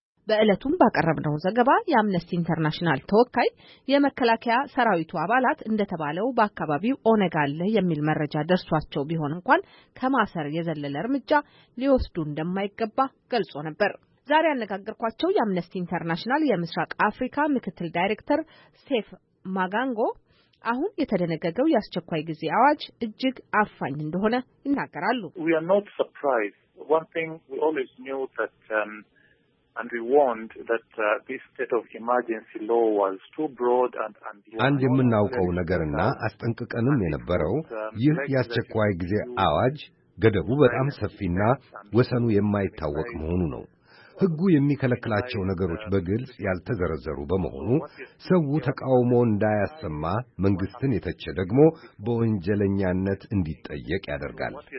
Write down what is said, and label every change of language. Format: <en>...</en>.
<am>በእለቱም ባቀረብነው ዘገባ የአምነስቲ ኢንተርናሽናል ተወካይ የመከላከያ ሰራዊቱ አባላት እንደተባለው በአካባቢው ኦነግ አለ የሚል መረጃ ደርሷቸው ቢሆን እንኳን ከማሰር የዘለለ እርምጃ ሊወስዱ እንደማይገባ ገልጾ ነበር። ዛሬ አነጋገርኳቸው የአምነስቲ ኢንተርናሽናል የምስራቅ አፍሪካ ምክትል ዳይሬክተር ሴፍ ማጋንጎ አሁን የተደነገገው የአስቸኳይ ጊዜ አዋጅ እጅግ አፋኝ እንደሆነ ይናገራሉ።</am> <en>We are not surprised. One thing we always knew that and we warned that this state of emergency law was too broad and</en> <am>አንድ የምናውቀው ነገርና አስጠንቅቀንም የነበረው ይህ የአስቸኳይ ጊዜ አዋጅ ገደቡ በጣም ሰፊና ወሰኑ የማይታወቅ መሆኑ ነው። ህጉ የሚከለክላቸው ነገሮች በግልጽ ያልተዘረዘሩ በመሆኑ ሰው ተቃውሞ እንዳያሰማ መንግስትን የተቸ ደግሞ በወንጀለኛነት እንዲጠየቅ ያደርጋል።</am>